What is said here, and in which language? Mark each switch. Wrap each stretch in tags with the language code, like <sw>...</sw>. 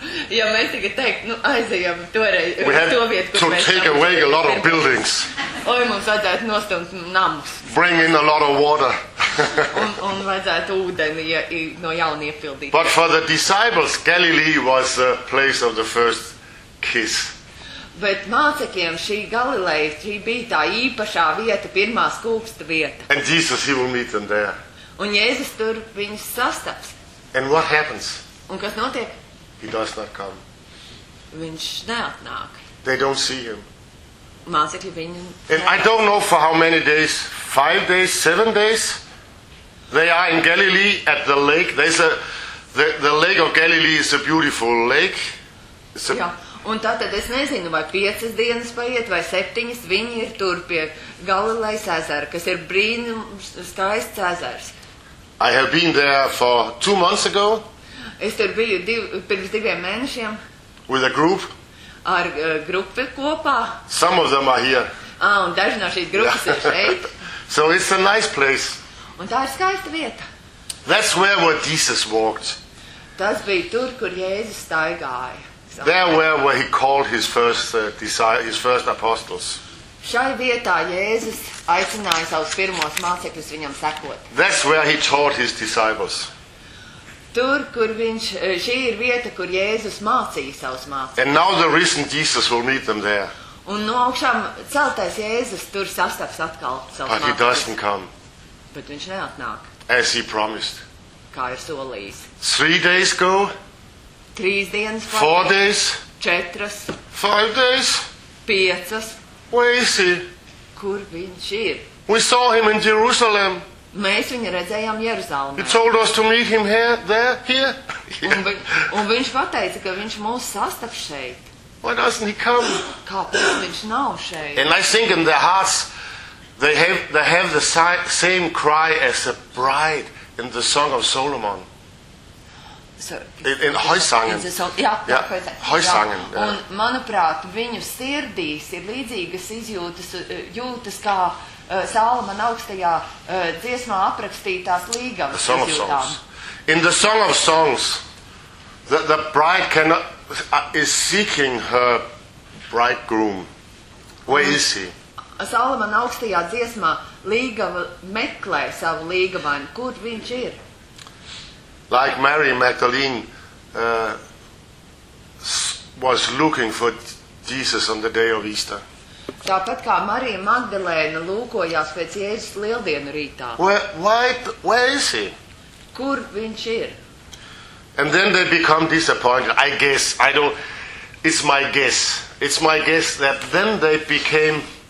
<lv>Ja mēs tikai teikt, nu aizējām toreiz to vietu, kur mēs to</lv> <en>take away a lot of buildings.</en> <lv>Oi, mums vajadzētu nostumt namus.</lv> <en>Bring in a lot of water.</en> <lv>Un vajadzētu ūdeni no jauna iepildīt.</lv> <en>But for the disciples, Galilee was the place of the first kiss.</en> <lv>Bet mācekiem šī Galileja, šī bija tā īpašā vieta, pirmā skūpsta vieta.</lv> <en>And Jesus, he will meet them there.</en> <lv>Un Jēzus tur viņus sastaps.</lv> <en>And what happens?</en> <lv>Un kas notiek?</lv> <en>He does not come.</en> <lv>Viņš neatnāk.</lv> <en>They don't see him.</en> <lv>Mācekļi viņu...</lv> <en>And I don't know for how many days, 5 days, 7 days, they are in Galilee at the lake. There's a, the lake of Galilee is a beautiful lake. It's a,</en> <lv>un tātad es nezinu, vai 5 dienas paiet, vai 7, viņi ir tur pie Galilejas ezera, kas ir brīnums, skaists ezers.</lv> <en>I have been there for 2 months ago.</en> <lv>Es tur biju pirms 2 mēnešiem.</lv> <en>With a group.</en> <lv>Ar grupi kopā.</lv> <en>Some of them are here.</en> <lv>Un daži no šīs grupas ir šeit.</lv> <en>So it's a nice place.</en> <lv>Un tā ir skaista vieta.</lv> <en>That's where Jesus walked.</en> <lv>Tas bija tur, kur Jēzus staigāja.</lv> <en>There where he called his first apostles.</en> <lv>Šai vietā Jēzus aicināja savus pirmos mācekļus viņam sekot.</lv> <en>That's where he taught his disciples.</en> <lv>Tur, kur viņš, šī ir vieta, kur Jēzus mācīja savus mācekļus.</lv> <en>And now the risen Jesus will meet them there.</en> <lv>Un no augšām celtais Jēzus tur sastaps atkal savus mācekļus.</lv> <en>But he doesn't come.</en> <lv>Bet viņš neatnāk.</lv> <en>As he promised.</en> <lv>Kā ir solījis.</lv> <en>3 days go.</en> <lv>3 dienas paiet.</lv> <en>4 days. 4. 5 days. 5. Where is he?</en> <lv>Kur viņš ir?</lv> <en>We saw him in Jerusalem.</en> <lv>Mēs viņu redzējām Jeruzalemē.</lv> <en>He told us to meet him here, there, here.</en> <lv>Un viņš pateica, ka viņš mūs sastap šeit.</lv> <en>Why doesn't he come?</en> <lv>Kāpēc viņš nav šeit?</lv> <en>And I think in their hearts, they have the same cry as a bride in the Song of Solomon. So, in Heusangen. Heusangen. Yeah.</en> <lv>Un, manuprāt, viņu sirdīs ir līdzīgas izjūtas, jūtas kā Salomona augstajā dziesmā aprakstītās līgavas izjūtām.</lv> <en>Song of Songs. In the Song of Songs, the bride cannot, is seeking her bridegroom. Where is he?</en> <lv>Salomona augstajā dziesmā līgava meklē savu līgavainu. Kur viņš ir?</lv> <en>Like Mary Magdalene was looking for Jesus on the day of Easter.</en> <lv>Tāpat kā Marija Magdalēna lūkojās pēc Jēzus lieldienu rītā.</lv> <en>Where is he?</en> <lv>Kur viņš ir?</lv> <en>And then they become disappointed. I guess, it's my guess that then they become</en>